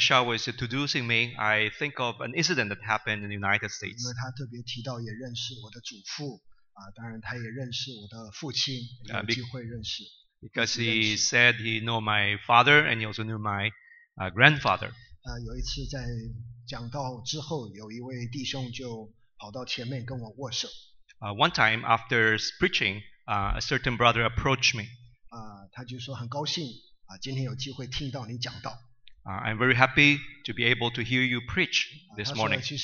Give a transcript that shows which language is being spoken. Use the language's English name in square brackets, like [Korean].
[English] Shaw was introducing me, I think of an incident that happened in the United States. [Chinese] 因为他特别提到也认识我的祖父，当然他也认识我的父亲，有机会认识。 [English] Because he said he knew my father and he also knew my grandfather. [Chinese] 有一次在讲道之后，有一位弟兄就跑到前面跟我握手。 [English] One time after preaching, a certain brother approached me. [Chinese] 他就说很高兴今天有机会听到你讲道。 [English] I'm very happy to be able to hear you preach this morning.